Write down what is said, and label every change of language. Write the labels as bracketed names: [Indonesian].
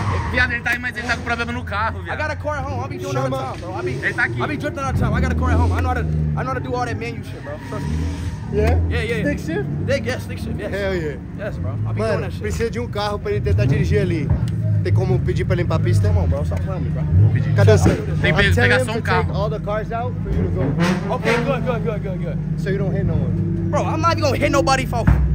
[Portuguese] Viado, ele tá aí, mas ele tá com problema no carro, viado. [English] I got a car at home. I'll be doing all the time, bro. [Portuguese] Ele tá aqui. [English] I'll be drifting all the time. I got a car at home. I know how to do all that manual shit, bro. Yeah? Stick shift? Yeah, stick shift, yes. Hell yeah. Yes, bro. I'll be doing that shit. [Portuguese] Mano, precisa de um carro pra ele tentar dirigir ali. Tem como pedir pra limpar a pista? [English] Come on, bro. Stop playing me, bro. [Portuguese] Pedir. Cadê você? Tem que pegar só um carro. [English] Take all the cars out for you to go. Okay, good. So you don't hit no one. Bro, I'm not even gonna hit nobody, folks.